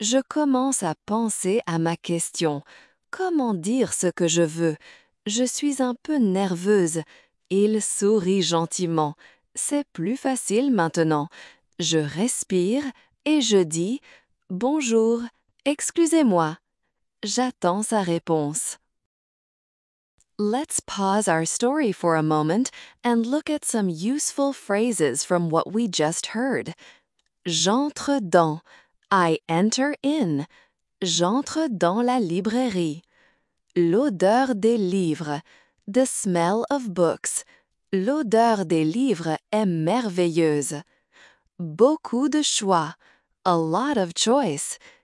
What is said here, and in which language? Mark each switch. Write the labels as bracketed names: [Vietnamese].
[French] Je commence à penser à ma question. Comment dire ce que je veux? Je suis un peu nerveuse. Il sourit gentiment. C'est plus facile maintenant. Je respire. Et je dis « Bonjour, excusez-moi ». J'attends sa réponse. [English] Let's pause our story for a moment and look at some useful phrases from what we just heard. [French] J'entre dans. [English] I enter in. [French] J'entre dans la librairie. L'odeur des livres. [English] The smell of books. [French] L'odeur des livres est merveilleuse. Beaucoup de choix. [English] A lot of choice.